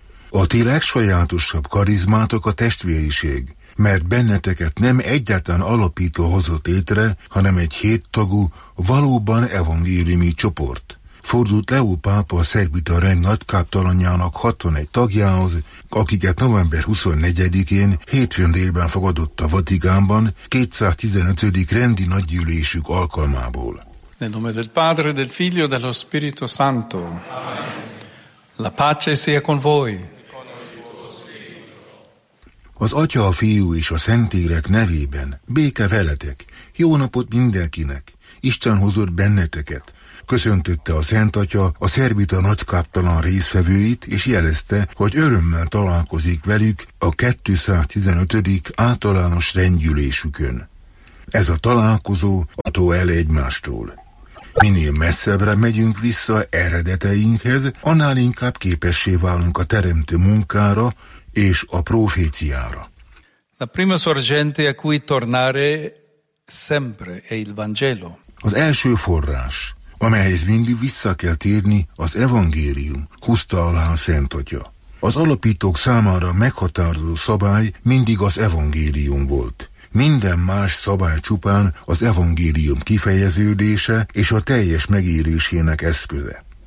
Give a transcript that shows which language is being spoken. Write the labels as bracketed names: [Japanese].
[Hungarian] A ti legsajátosabb karizmátok a testvériség, mert benneteket nem egyetlen alapító hozott létre, hanem egy héttagú, valóban evangéliumi csoport. Fordult Leó pápa a szerbita rend nagykáptalanjának 61 tagjához, akiket november 24-én, hétfőn délben fogadott a Vatikánban, 215. rendi nagygyűlésük alkalmából. [Italian] Nel nome del Padre, del Figlio, dello Spirito Santo. Amen. La pace sia con voi. [Hungarian] Az Atya, a Fiú és a Szentlélek nevében béke veletek, jó napot mindenkinek, Isten hozott benneteket, köszöntötte a Szent Atya a szerbita nagykáptalan részvevőit, és jelezte, hogy örömmel találkozik velük a 215. általános rendgyűlésükön. Ez a találkozó attól el egymástól. Minél messzebbre megyünk vissza eredeteinkhez, annál inkább képessé válunk a teremtő munkára és a proféciára. [Italian] La prima sorgente a cui tornare sempre è il Vangelo. [Hungarian] Az első forrás, amelyhez mindig vissza kell térni, az evangélium, húzta alá a Szent Atya. Az alapítók számára meghatározó szabály mindig az evangélium volt. Minden más szabály csupán az evangélium kifejeződése és a teljes megélésének eszköze.